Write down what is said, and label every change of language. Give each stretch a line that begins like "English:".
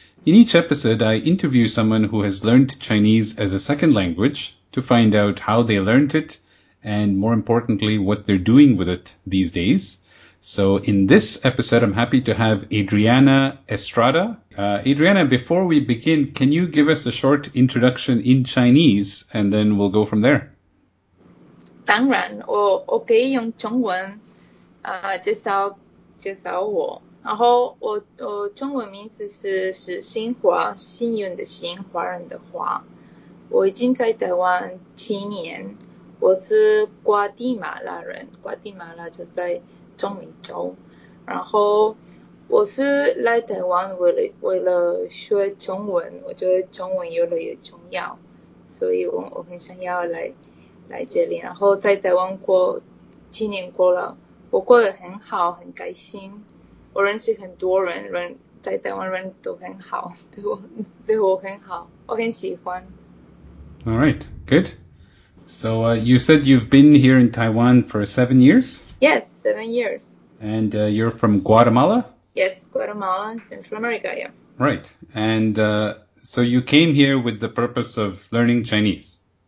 English: In each episode, I interview someone who has learned Chinese as a second language to find out how they learned it and, more importantly, what they're doing with it these days. So in this episode, I'm happy to have Adriana Estrada. Adriana, before we begin, can you give us a short introduction in Chinese, and then we'll go from there?
Chinese: 当然，我可以用中文介绍我。然后我中文名字是新华，幸运的新，华人的华。我已经在台湾七年，我是瓜地马拉人，瓜地马拉就在中美洲。然后我是来台湾为了学中文，我觉得中文越来越重要，所以我很想要来这里。然后在台湾过七年过了，我过得很好，很开心。我认识很多人在台湾人都很好，对我很好，我很喜欢。
English: All right, good. So you said you've been here in Taiwan for 7 years? Yes, 7 years. And you're from Guatemala? Yes, Guatemala, Central America, yeah. Right. And so you came here with the purpose of learning Chinese?